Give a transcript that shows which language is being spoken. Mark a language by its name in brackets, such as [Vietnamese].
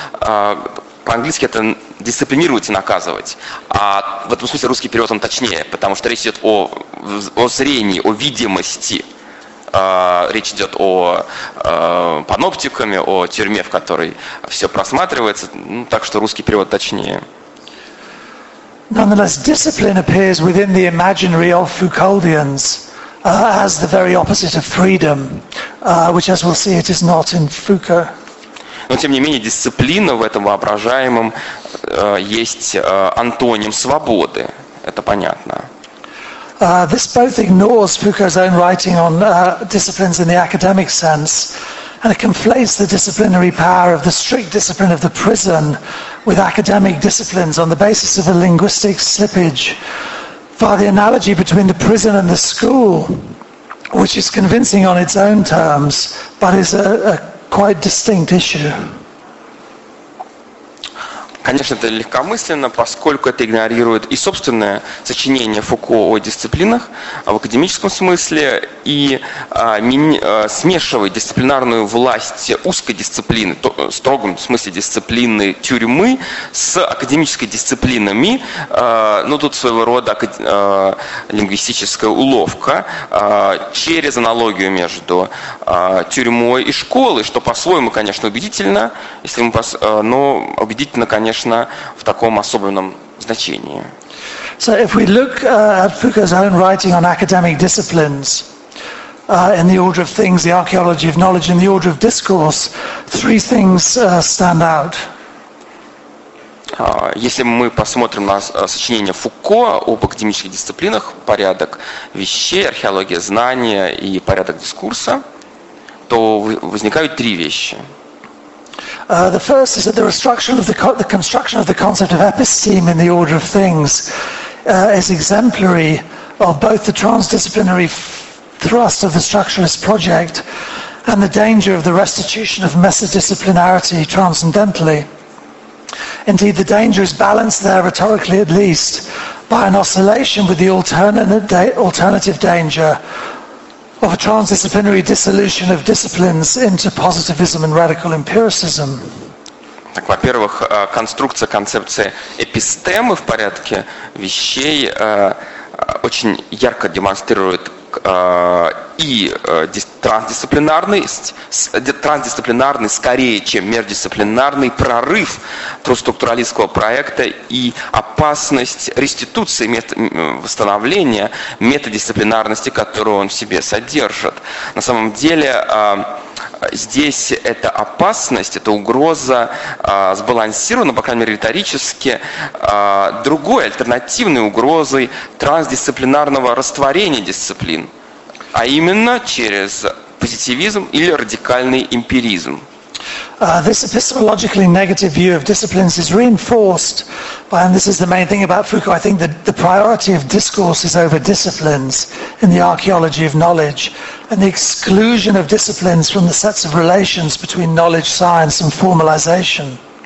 [Russian] По-английски это «дисциплинировать и наказывать». А в этом смысле русский перевод он точнее, потому что речь идет о зрении, о видимости. Речь идет о паноптикуме, о тюрьме, в которой все просматривается, ну, так что русский перевод точнее. [English] Nonetheless, discipline appears within the imaginary of Foucauldians as the very opposite of freedom, which, as we'll see, it is not in Foucault. [Russian] Но тем не менее дисциплина в этом воображаемом есть антоним свободы, это понятно. [English] This both ignores Foucault's own writing on disciplines in the academic sense, and it conflates the disciplinary power of the strict discipline of the prison with academic disciplines on the basis of a linguistic slippage. For the analogy between the prison and the school, which is convincing on its own terms, but is a quite distinct issue. [Russian] Конечно, это легкомысленно, поскольку это игнорирует и собственное сочинение Фуко о дисциплинах в академическом смысле, и смешивает дисциплинарную власть узкой дисциплины, в строгом смысле дисциплины тюрьмы, с академической дисциплинами. Ну, тут своего рода лингвистическая уловка через аналогию между тюрьмой и школой, что по-своему, конечно, убедительно, но убедительно, конечно, в таком особенном значении. [English] So if we look at Foucault's own writing on academic disciplines, in the order of things, the archaeology of knowledge, in the order of discourse, three things stand out. [Russian] Если мы посмотрим на сочинение Фуко об академических дисциплинах, порядок вещей, археология знания и порядок дискурса, то возникают три вещи. [English] The first is that the restructuring of the construction of the concept of episteme in the order of things is exemplary of both the transdisciplinary thrust of the structuralist project and the danger of the restitution of metadisciplinarity transcendentally. Indeed, the danger is balanced there, rhetorically at least, by an oscillation with the alternative danger of a transdisciplinary dissolution of disciplines into positivism and radical empiricism. [Russian] Так, во-первых, конструкция концепции эпистемы в порядке вещей очень ярко демонстрирует и трансдисциплинарный, скорее, чем междисциплинарный прорыв трансструктуралистского проекта и опасность реституции, восстановления метадисциплинарности, которую он в себе содержит. На самом деле, здесь эта опасность, эта угроза сбалансирована, по крайней мере, риторически, другой, альтернативной угрозой трансдисциплинарного растворения дисциплин, а именно через позитивизм или радикальный эмпиризм. [English] This epistemologically negative view of disciplines is reinforced by, and this is the main thing about Foucault, I think that the priority of discourse is over disciplines in the archaeology of knowledge, and the exclusion of disciplines from the sets of relations between knowledge, science and formalization.